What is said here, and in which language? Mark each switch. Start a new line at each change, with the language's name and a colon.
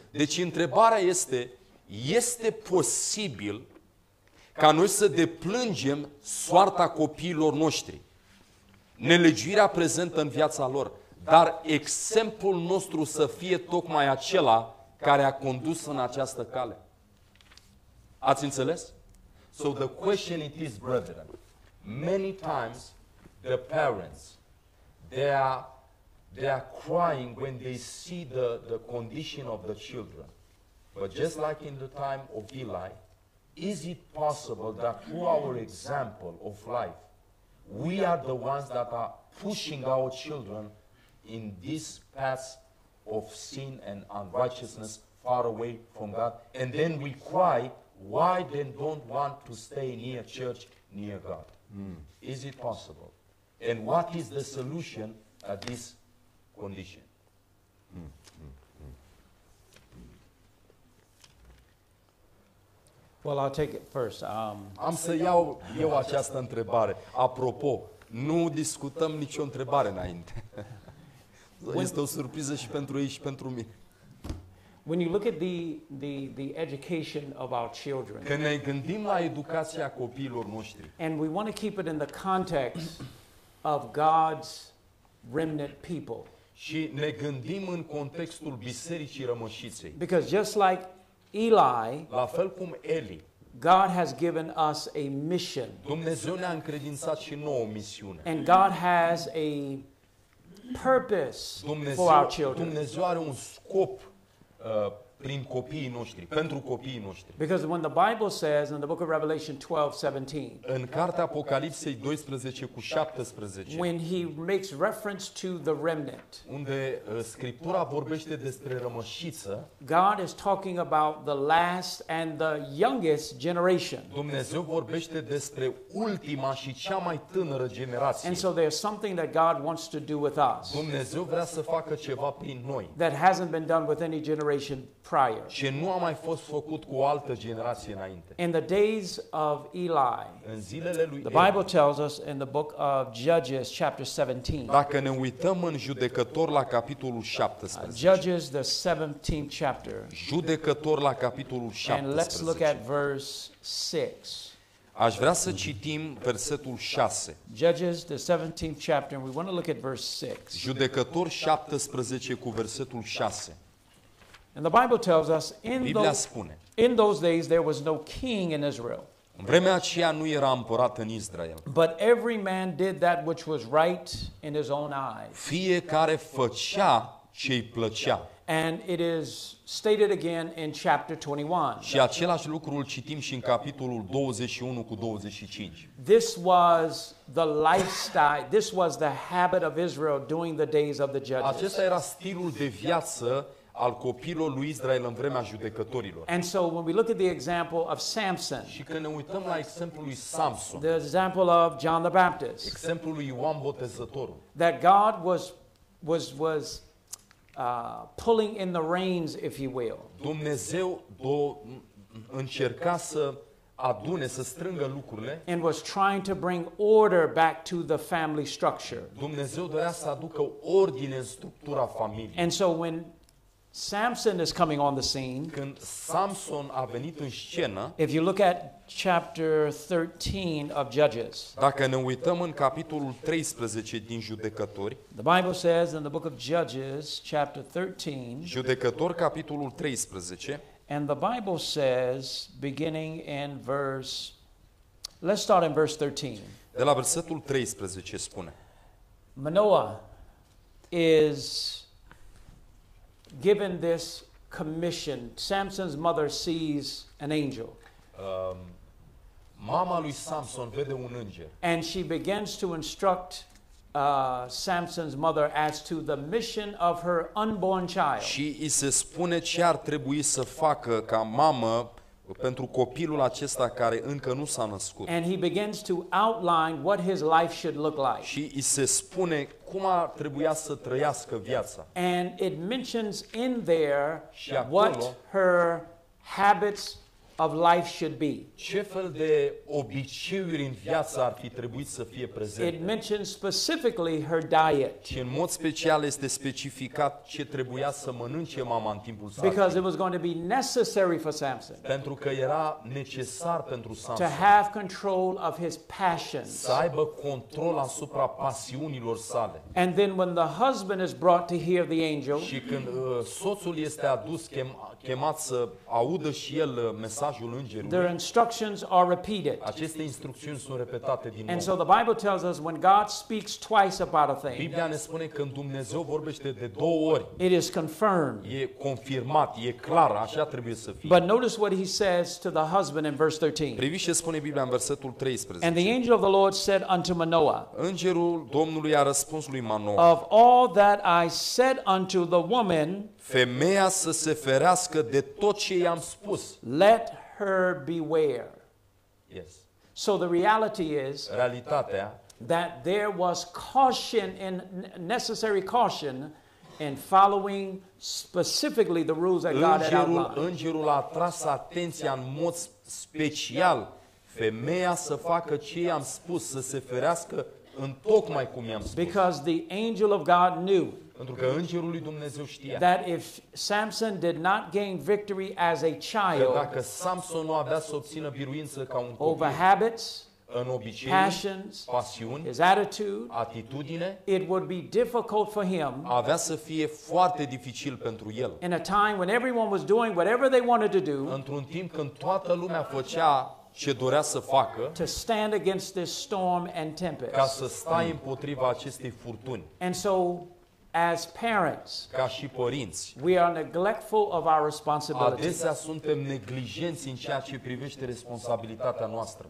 Romanian: Deci întrebarea este posibil ca noi să deplângem soarta copiilor noștri? Nelegiuirea prezentă în viața lor, dar exemplul nostru să fie tocmai acela care a condus în această cale. Ați înțeles?
English: So the question it is, brethren, many times the parents, they are crying when they see the condition of the children. But just like in the time of Eli, is it possible that through our example of life, we are the ones that are pushing our children in this path of sin and unrighteousness far away from God? And then we cry, why then don't want to stay near church, near God? Mm. Is it possible? And what is the solution at this condition? Well, I'll take it first.
Romanian: Am să iau eu această întrebare. Apropo, nu discutăm nicio întrebare înainte. Este o surpriză și pentru ei și pentru mine.
English: When you look at the education of our children.
Romanian: Când ne gândim la educația copiilor noștri.
English: And we want to keep it in the context of God's remnant people.
Romanian: Și ne gândim în contextul bisericii rămășiței.
English: Because just like Eli,
Romanian: la fel cum Eli,
English: God has given us a mission.
Romanian: Dumnezeu ne-a încredințat și nouă misiune.
English: And God has a purpose for our children.
Romanian: Dumnezeu are un scop prin copiii noștri, pentru copiii noștri.
English: Because when the Bible says in the book of Revelation 12:17,
Romanian: în cartea Apocalipsei 12:17,
English: when he makes reference to the remnant,
Romanian: unde Scriptura vorbește despre rămășiță,
English: God is talking about the last and the youngest generation.
Romanian: Dumnezeu vorbește despre ultima și cea mai tânără generație.
English: And so there's something that God wants to do with us.
Romanian: Dumnezeu vrea să facă ceva prin noi.
English: That hasn't been done with any generation prior.
Romanian: Și nu a mai fost făcut cu o altă generație înainte.
English: In the days of Eli.
Romanian: În zilele lui
English: Eli. The Bible tells us in the book of Judges chapter 17.
Romanian: Dacă ne uităm în Judecător la capitolul 17.
English: Judges the 17th chapter.
Romanian: Judecător la capitolul 17.
English: And let's look at verse 6.
Romanian: Aș vrea să citim versetul 6.
English: Judges the 17th chapter and we want to look at verse 6.
Romanian: Judecător 17 cu versetul 6.
English: And the Bible tells us in those days there was no king in Israel.
Romanian: În vremea aceea nu era împărat în Israel.
English: But every man did that which was right in his own eyes.
Romanian: Fiecare făcea ce-i plăcea.
English: And it is stated again in chapter 21.
Romanian: Și același lucru îl citim și în capitolul 21 cu 25.
English: This was the lifestyle, this was the habit of Israel during the days of the judges.
Romanian: Acesta era stilul de viață al copilor lui Israel în vremea judecătorilor.
English: And so when we look at the example of Samson.
Romanian: Și când ne uităm la exemplul lui Samson.
English: The example of John the Baptist.
Romanian: Exemplul lui Ioan Botezătorul.
English: That God was pulling in the reins, if you will.
Romanian: Dumnezeu încerca să adune, să strângă lucrurile.
English: And was trying to bring order back to the family structure.
Romanian: Dumnezeu dorea să aducă ordine în structura familiei.
English: And so when Samson is coming on the scene.
Romanian: Când Samson a venit în scenă.
English: If you look at chapter 13 of Judges.
Romanian: Dacă ne uităm în capitolul 13 din Judecători.
English: The Bible says in the book of Judges chapter 13.
Romanian: Judecători capitolul 13.
English: And the Bible says beginning in verse, let's start in verse 13.
Romanian: De la versetul 13 spune.
English: Manoah is given this commission. Samson's mother sees an angel.
Romanian: Mama lui Samson vede un înger.
English: And she begins to instruct Samson's mother as to the mission of her unborn child.
Romanian: Și îi se spune ce ar trebui să facă ca mamă pentru copilul acesta care încă nu s-a născut.
English: And he begins to outline what his life should look like.
Romanian: Și îi se spune cum ar trebui să trăiască viața.
English: And it mentions in there what her habits of life should be.
Romanian: Ce fel de obiceiuri în viață ar fi trebuit să fie prezente.
English: It mentions specifically her diet.
Romanian: Și în mod special este specificat ce trebuia să mănânce mama în timpul sarcinii.
English: Because it was going to be necessary for Samson.
Romanian: Pentru că era necesar pentru Samson.
English: To have control of his passions.
Romanian: Să aibă control asupra pasiunilor sale.
English: And then when the husband is brought to hear the angel.
Romanian: Și când soțul este adus, chemat să audă și el mesajul îngerului.
English: Their instructions are repeated.
Romanian: Aceste instrucțiuni sunt repetate din nou.
English: And so the Bible tells us when God speaks twice about a thing.
Romanian: Biblia ne spune când Dumnezeu vorbește de două ori.
English: It is confirmed.
Romanian: E confirmat, e clar, așa trebuie să fie.
English: But notice what he says to the husband in verse 13.
Romanian: Priviți ce spune Biblia în versetul 13.
English: And the angel of the Lord said unto Manoah.
Romanian: Îngerul Domnului a răspuns lui Manoah.
English: Of all that I said unto the woman,
Romanian: femeia să se ferească de tot ce i-am spus.
English: Let her beware. Yes. So the reality is,
Romanian: realitatea,
English: that there was caution and necessary caution in following specifically the rules that God had outlined.
Romanian: Îngerul a tras atenția în mod special femeia să facă ce i-am spus, să se ferească în tocmai cum i-am spus.
English: Because the angel of God knew.
Romanian: Pentru că îngerul lui Dumnezeu știa.
English: That if Samson did not gain victory as a child.
Romanian: Că dacă Samson nu avea să obțină biruință ca un copil.
English: Over habits.
Romanian: În obicei,
English: passions,
Romanian: pasiuni,
English: his attitude,
Romanian: atitudine,
English: it would be difficult for him.
Romanian: Avea să fie foarte dificil pentru el.
English: In a time when everyone was doing whatever they wanted to do.
Romanian: Într-un timp când toată lumea făcea ce dorea să facă,
English: to stand against this storm and tempest.
Romanian: Ca să stai împotriva acestei furtuni.
English: And so as parents,
Romanian: ca și părinți,
English: we are neglectful of our responsibility.
Romanian: Adesea suntem neglijenți în ceea ce privește responsabilitatea noastră.